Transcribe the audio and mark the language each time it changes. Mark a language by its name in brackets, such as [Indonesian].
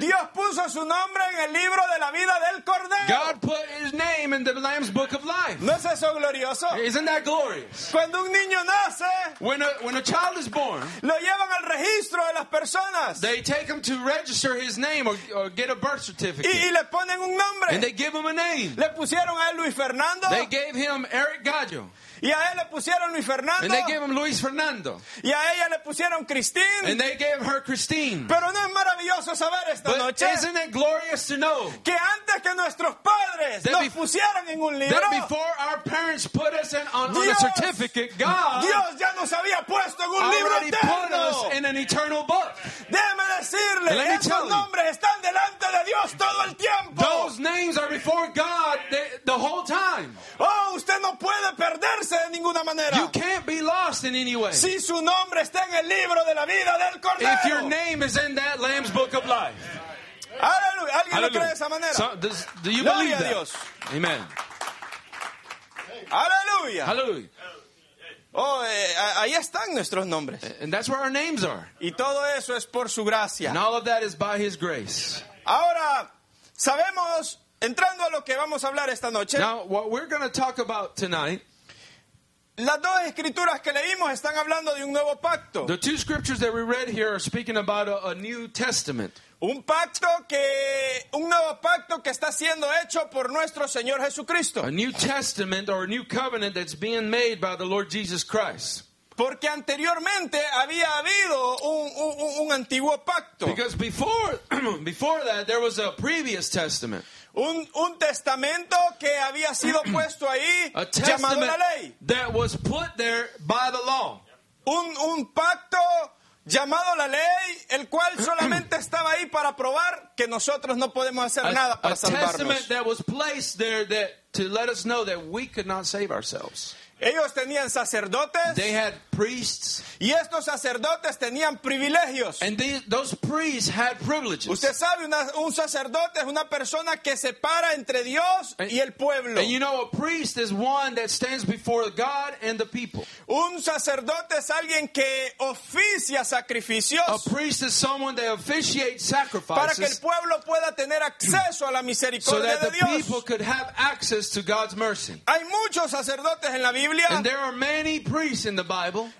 [Spanish] Dios puso su nombre en el libro de la vida del Cordero. [English] God put his name in the Lamb's Book of Life. [Spanish] ¿No es eso glorioso? [English] Isn't that glorious? [Spanish] Cuando un niño nace, [English] when a child is born, [Spanish] lo llevan al registro de las personas. [English] They take him to register his name or get a birth certificate. [Spanish] Y le ponen un nombre. [English] And they give him a name. [Spanish] Le pusieron a él Luis Fernando. [English] They gave him Eric Gallo. [Spanish] Y a él le pusieron Luis Fernando. [English] And they gave him Luis Fernando. [Spanish] Y a ella le pusieron Christine. [English] And they gave her Christine. [Spanish] Pero no es maravilloso saber esta [English] But [Spanish] noche. [English] Isn't it glorious to know [Spanish] que antes que nuestros padres nos pusieran en un libro. [English] That before our parents put us on a certificate, [Spanish] Dios ya nos había puesto en un [English] already [Spanish] libro eterno. [English] Put us in an eternal book. [Spanish] Déjeme decirle, esos nombres están delante de Dios todo el tiempo. [English] Those names are before God the whole time. [Spanish] Oh, usted no puede perderse. [English] You can't be lost in any way. [Spanish] Si su nombre está en el libro de la vida del Cordero. [English] If your name is in that Lamb's Book of Life. [Spanish] Hallelujah. ¿Alguien lo cree de esa manera? [English] So, do you [Spanish] Gloria [English] believe [Spanish] a Dios. [English] That? Amen. Hallelujah. Hallelujah. [Spanish] Oh, ahí están nuestros nombres. [English] And that's where our names are. [Spanish] Y todo eso es por su gracia. [English] And all of that is by his grace. [Spanish] Ahora, sabemos, entrando a lo que vamos a hablar esta noche. [English] Now, what we're going to talk about tonight. [Spanish] Las dos escrituras que leímos están hablando de un nuevo pacto. [English] The two scriptures that we read here are speaking about a New Testament. [Spanish] Un nuevo pacto que está siendo hecho por nuestro Señor Jesucristo. [English] A New Testament or a new covenant that's being made by the Lord Jesus Christ. [Spanish] Porque anteriormente había habido un antiguo pacto. [English] Because before that there was a previous testament. [Spanish] Un testamento que había sido puesto ahí llamado la ley. [English] That was put there by the law. [Spanish] Un pacto llamado la ley, el cual solamente estaba ahí para probar que nosotros no podemos hacer nada para salvarnos. [English] A testament that was placed there that to let us know that we could not save ourselves. [Spanish] Ellos tenían sacerdotes. [English] They had priests. [Spanish] Y estos sacerdotes tenían privilegios. [English] And those priests had privileges. [Spanish] Usted sabe, un sacerdote es una persona que se para entre Dios y el pueblo. [English] And you know, a priest is one that stands before God and the people. [Spanish] Un sacerdote es alguien que oficia sacrificios. [English] A priest is someone that officiates sacrifices. [Spanish] Para que el pueblo pueda tener acceso a la misericordia de Dios. [English] So that the people could have access to God's mercy. [Spanish] Hay muchos sacerdotes en la Biblia. [English] And there are many priests in the Bible.